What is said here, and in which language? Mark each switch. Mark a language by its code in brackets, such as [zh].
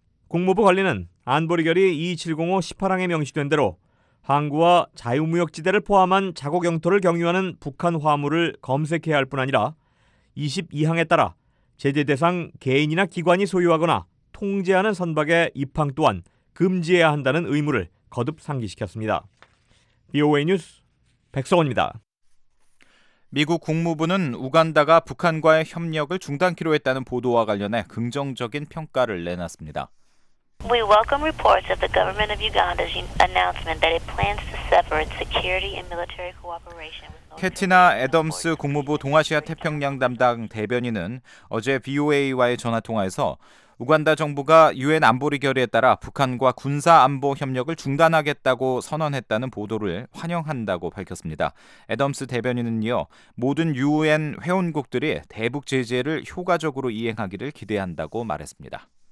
[ko] 국무부 관리는 안보리 결의 2270호 18항에 명시된 대로 항구와 자유무역지대를 포함한 자국 영토를 경유하는 북한 화물을 검색해야 할 뿐 아니라 22항에 따라 제재 대상 개인이나 기관이 소유하거나 통제하는 선박의 입항 또한 금지해야 한다는 의무를 거듭 상기시켰습니다. BOA 뉴스 백성원입니다. 미국 국무부는 우간다가 북한과의 협력을 중단키로 했다는 보도와 관련해 긍정적인 평가를 내놨습니다. [en] We welcome reports of the government of Uganda's announcement that it plans to sever its security and military cooperation. [ko] 캐티나 애덤스 국무부 동아시아 태평양 담당 대변인은 어제 VOA와의 전화 통화에서 우간다 정부가 유엔 안보리 결의에 따라 북한과 군사 안보 협력을 중단하겠다고 선언했다는 보도를 환영한다고 밝혔습니다. 애덤스 대변인은 이어 모든 유엔 회원국들이 대북 제재를 효과적으로 이행하기를 기대한다고 말했습니다.